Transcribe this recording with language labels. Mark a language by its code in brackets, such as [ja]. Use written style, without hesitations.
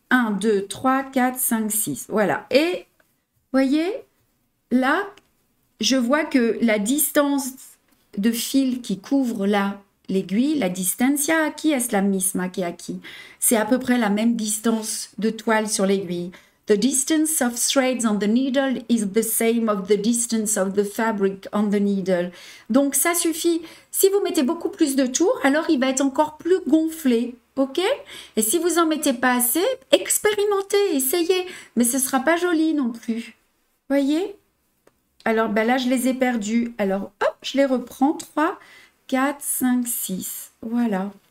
[fr] 1, 2, 3, 4, 5, 6. Voilà. Et voyez, là, je vois que la distance de fil qui couvre là l'aiguille, la distancia qui est la miss qui est qui, c'est à peu près la même distance de toile sur l'aiguille. [en] The distance of threads on the needle is the same of the distance of the fabric on the needle. [fr] Donc, ça suffit. Si vous mettez beaucoup plus de tours, alors il va être encore plus gonflé. OK? Et si vous en mettez pas assez, expérimentez, essayez, mais ce sera pas joli non plus. Voyez? Alors ben là je les ai perdus. Alors hop, je les reprends 3 4 5 6. Voilà.